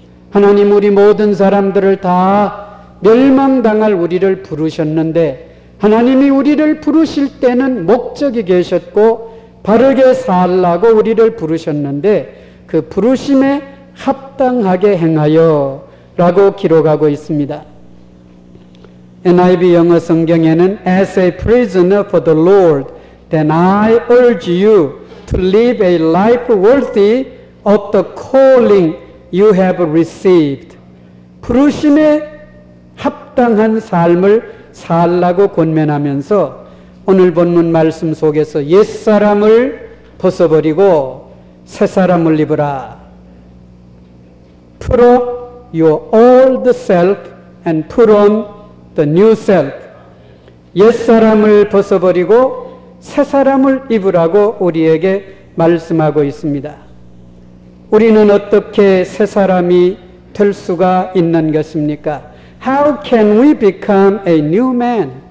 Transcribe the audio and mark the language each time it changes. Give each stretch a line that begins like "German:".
Korean: 하나님, 우리 모든 사람들을 다 멸망당할 우리를 부르셨는데 하나님이 우리를 부르실 때는 목적이 계셨고 바르게 살라고 우리를 부르셨는데 그 부르심에 합당하게 행하여 라고 기록하고 있습니다.
English: NIV
Korean: 영어 성경에는
English: As a prisoner for the Lord, Then I urge you to live a life worthy of the calling you have received.
Korean: 부르심에 합당한 삶을 살라고 권면하면서 오늘 본문 말씀 속에서 옛사람을 벗어버리고 새사람을 입으라.
English: Put off your old self and put on the new self.
Korean: 옛사람을 벗어버리고 새 사람을 입으라고 우리에게 말씀하고 있습니다. 우리는 어떻게 새 사람이 될 수가 있는 것입니까?
English: How can we become a new man?